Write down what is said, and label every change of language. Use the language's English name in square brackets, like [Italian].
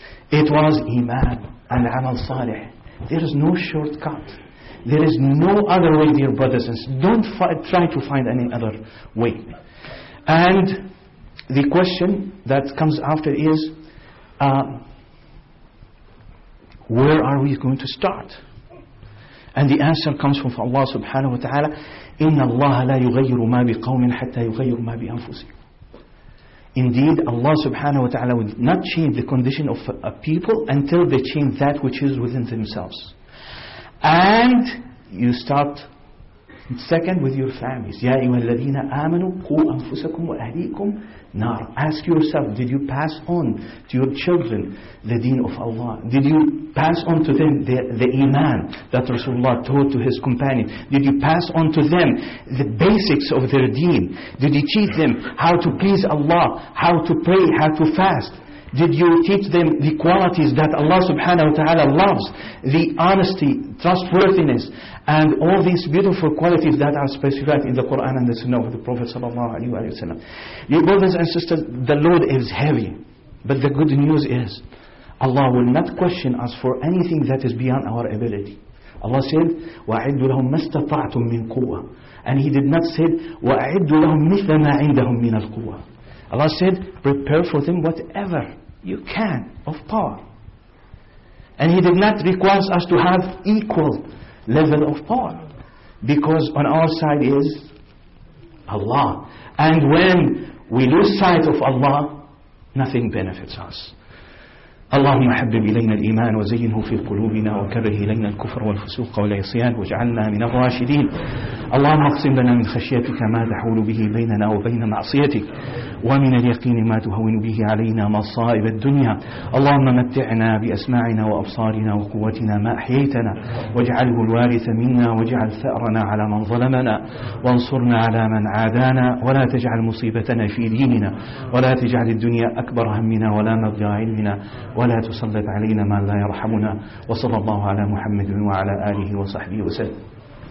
[English] It was Iman and Amal Salih. There is no shortcut. There is no other way, dear brothers and sisters. Don't try to find any other way. And the question that comes after is, where are we going to start? And the answer comes from Allah subhanahu wa ta'ala, [Arabic] إِنَّ اللَّهَ لَا يُغَيِّرُ مَا بِقَوْمٍ حَتَّى يُغَيِّرُ مَا بِأَنفُسِهِ. [English] Indeed, Allah subhanahu wa ta'ala will not change the condition of a people until they change that which is within themselves. And you start second with your families. [Arabic] يَا أَيُّهَا الَّذِينَ آمَنُوا قُوا أَنفُسَكُمْ وَأَهْلِيكُمْ نَارًا. [English] Ask yourself, did you pass on to your children the deen of Allah? Did you pass on to them the iman that Rasulullah taught to his companion? Did you pass on to them the basics of their deen? Did you teach them how to please Allah, how to pray, how to fast? Did you teach them the qualities that Allah subhanahu wa ta'ala loves? The honesty, trustworthiness, and all these beautiful qualities that are specified in the Quran and the Sunnah of the Prophet sallallahu alaihi wasallam. Dear brothers and sisters, the load is heavy. But the good news is, Allah will not question us for anything that is beyond our ability. Allah said, [Arabic] وَأَعِدُّ لَهُمْ مَا اسْتَطَعْتُمْ مِنْ قُوَّةٍ. [English] And He did not say, [Arabic] وَأَعِدُّ لَهُمْ مِثْلَ مَا عِنْدَهُمْ مِنَ الْقُوَّةِ. [English] Allah said, prepare for them whatever you can of power. And He did not require us to have equal level of power. Because on our side is Allah. And when we lose sight of Allah, nothing benefits us. [Arabic] اللهم حبب إلينا الإيمان وزينه في قلوبنا وكره إلينا الكفر والفسوق والعصيان واجعلنا من الراشدين. اللهم اقسم لنا من خشيتك ما تحول به بيننا وبين معصيتك، ومن اليقين ما تهون به علينا مصائب الدنيا. اللهم متعنا بأسماعنا وأبصارنا وقوتنا ما أحييتنا، واجعله الوارث منا، واجعل ثأرنا على من ظلمنا، وانصرنا على من عادانا، ولا تجعل مصيبتنا في ديننا، ولا تجعل الدنيا أكبر همنا ولا مبلغ علمنا، ولا تسلط علينا من لا يرحمنا. وصلى الله على محمد وعلى آله وصحبه وسلم.